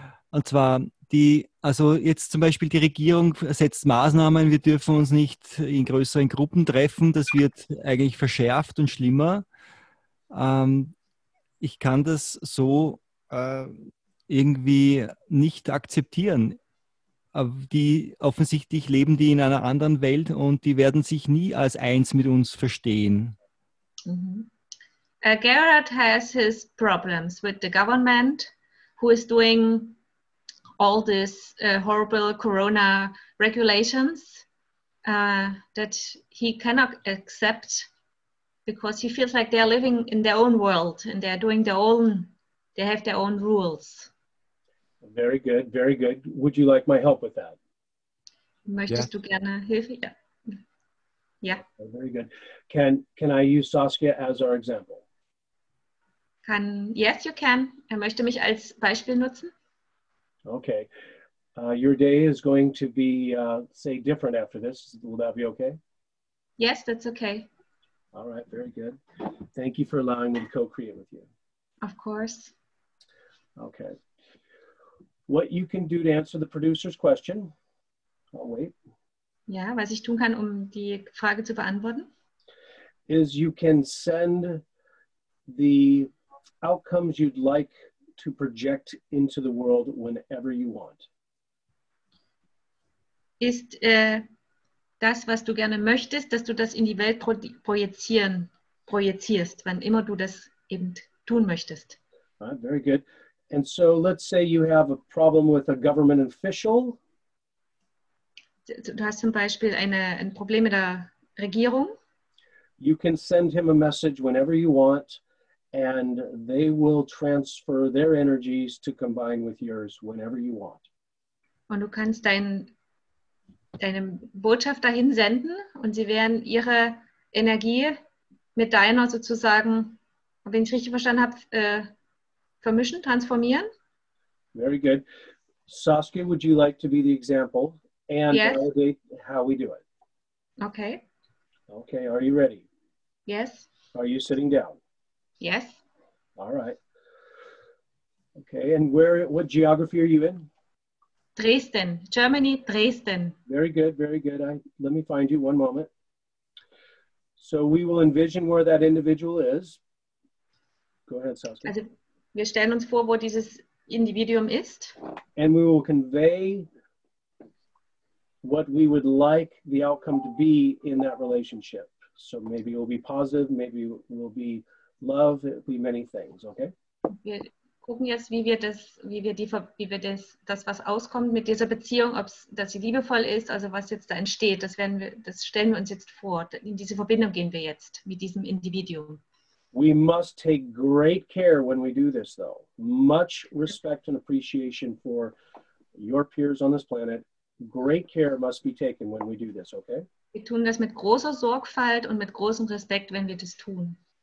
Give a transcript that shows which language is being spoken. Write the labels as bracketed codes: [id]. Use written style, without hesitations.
[de] Und zwar jetzt zum Beispiel die Regierung setzt Maßnahmen, wir dürfen uns nicht in größeren Gruppen treffen, das wird eigentlich verschärft und schlimmer. Ich kann das so irgendwie nicht akzeptieren. Die offensichtlich leben die in einer anderen Welt und die werden sich nie als eins mit uns verstehen. Mm-hmm. [en] Gerard has his problems with the government, who is doing all these horrible corona regulations that he cannot accept because he feels like they are living in their own world and they are doing their own, they have their own rules. Very good, very good. Would you like my help with that? [de] Möchtest du gerne Hilfe? Ja. Ja. [en] Very good. Can I use Saskia as our example? Yes, you can. [de] Er möchte mich als Beispiel nutzen. [en] Okay. Your day is going to be, say, different after this. Will that be okay? Yes, that's okay. All right, very good. Thank you for allowing me to co-create with you. Of course. Okay. What you can do to answer the producer's question. I'll wait. [de] Ja, was ich tun kann, um die Frage zu beantworten. [en] Is you can send the outcomes you'd like to project into the world whenever you want. [de] Ist das, was du gerne möchtest, dass du das in die Welt projizierst, wann immer du das eben tun möchtest. [en] Right, very good. And so let's say you have a problem with a government official. [de] Du hast zum Beispiel ein Problem mit der Regierung. [en] You can send him a message whenever you want, and they will transfer their energies to combine with yours whenever you want. [de] Und du kannst deine Botschaft dahin senden und sie werden ihre Energie mit deiner sozusagen, wenn ich richtig verstanden habe, vermischen, transformieren. [en] Very good. Saskia, would you like to be the example and yes. Validate how we do it? Okay. Okay, are you ready? Yes. Are you sitting down? Yes. All right. Okay, and what geography are you in? Dresden, Germany, Dresden. Very good, very good. Let me find you one moment. So we will envision where that individual is. Go ahead, Saskia. [de] Also, wir stellen uns vor, wo dieses Individuum ist. [en] And we will convey what we would like the outcome to be in that relationship. So maybe it will be positive, maybe it will be love, it will be many things, okay? [de] Wir gucken jetzt, wie wir das, was auskommt mit dieser Beziehung, ob es, dass sie liebevoll ist, also was jetzt da entsteht, das stellen wir uns jetzt vor. In diese Verbindung gehen wir jetzt mit diesem Individuum. [en] We must take great care when we do this, though. Much respect and appreciation for your peers on this planet. Great care must be taken when we do this, okay? [de] Wir tun das mit großer Sorgfalt und mit großem Respekt, wenn wir das tun.